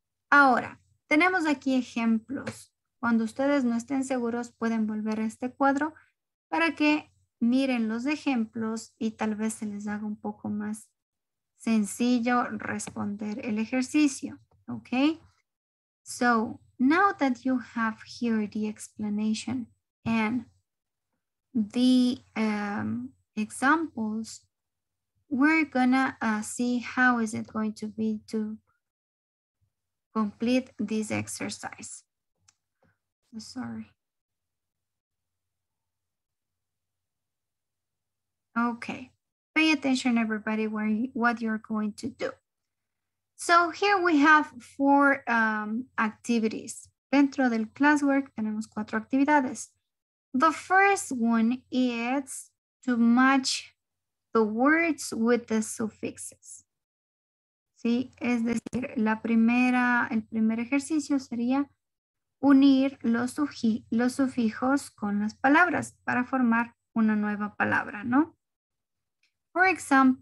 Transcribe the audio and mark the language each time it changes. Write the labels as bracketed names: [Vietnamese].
[Spanish] Ahora, tenemos aquí ejemplos. Cuando ustedes no estén seguros, pueden volver a este cuadro para que miren los ejemplos y tal vez se les haga un poco más sencillo responder el ejercicio, ¿ok? [English] So, now that you have here the explanation and the examples, we're gonna see how is it going to be to complete this exercise. Sorry. Okay, pay attention everybody where you, what you're going to do. So here we have four activities. [Spanish] Dentro del classwork tenemos cuatro actividades. [English] The first one is to match the words with the suffixes. [Spanish] ¿Sí? Es decir, el primer ejercicio sería unir los sufijos con las palabras para formar una nueva palabra, ¿no? [English] For example,